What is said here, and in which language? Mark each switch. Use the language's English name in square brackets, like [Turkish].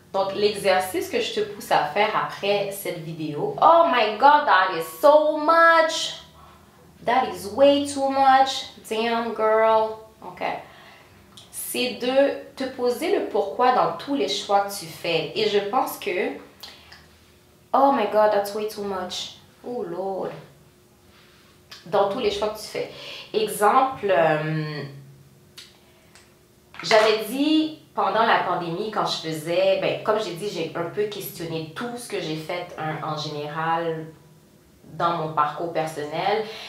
[French] Donc, l'exercice que je te pousse à faire après cette vidéo. [English] Oh my God, that is so much! That is way too much! Damn, girl! Ok. [French] C'est de te poser le pourquoi dans tous les choix que tu fais. Et je pense que... [English] Oh my God, that's way too much. Oh Lord! [French] Dans tous les choix que tu fais. Exemple, j'avais dit pendant la pandémie, quand je faisais, ben, comme j'ai dit, j'ai un peu questionné tout ce que j'ai fait en général dans mon parcours personnel.